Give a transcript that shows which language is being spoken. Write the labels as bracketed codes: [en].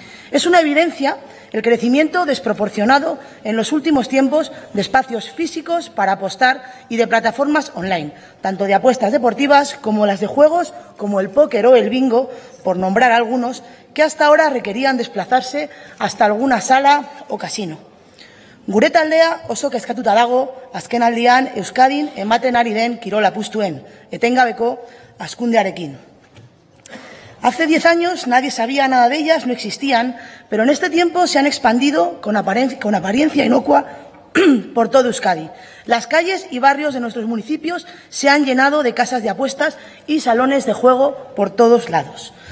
[es] Es una evidencia el crecimiento desproporcionado en los últimos tiempos de espacios físicos para apostar y de plataformas online, tanto de apuestas deportivas como las de juegos como el póker o el bingo, por nombrar algunos, que hasta ahora requerían desplazarse hasta alguna sala o casino. [eu] Gure taldea oso kezkatuta dago azkenaldian Euskadin ematen ari den kirol apustuen etengabeko hazkundearekin. [es] Hace 10 años nadie sabía nada de ellas, no existían, pero en este tiempo se han expandido con apariencia inocua por todo Euskadi. Las calles y barrios de nuestros municipios se han llenado de casas de apuestas y salones de juego por todos lados.